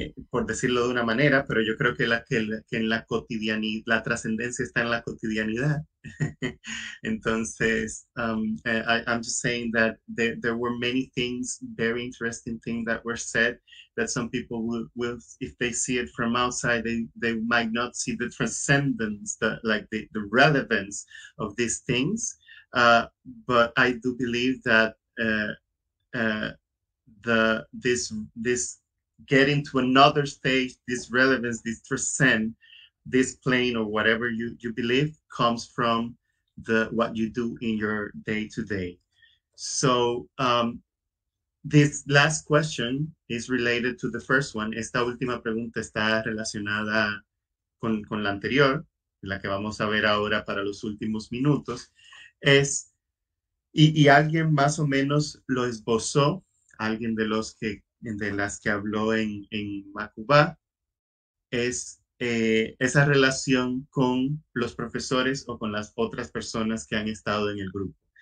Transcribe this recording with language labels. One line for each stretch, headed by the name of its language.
Spanish: Por decirlo de una manera, pero yo creo que en la cotidianidad, la trascendencia está en la cotidianidad. Entonces,
English: I'm just saying that there were many things, very interesting things that were said, that some people will, if they see it from outside, they might not see the transcendence, the relevance of these things. But I do believe that this getting to another stage, this relevance, this transcend, this plane, or whatever you believe, comes from the what you do in your day to day. So this last question is related to the first one.
Spanish: Esta última pregunta está relacionada con la anterior, la que vamos a ver ahora para los últimos minutos. Es, y alguien más o menos lo esbozó, alguien de los que de las que habló en Macubá, es esa relación con los profesores o con las otras personas que han estado en el grupo.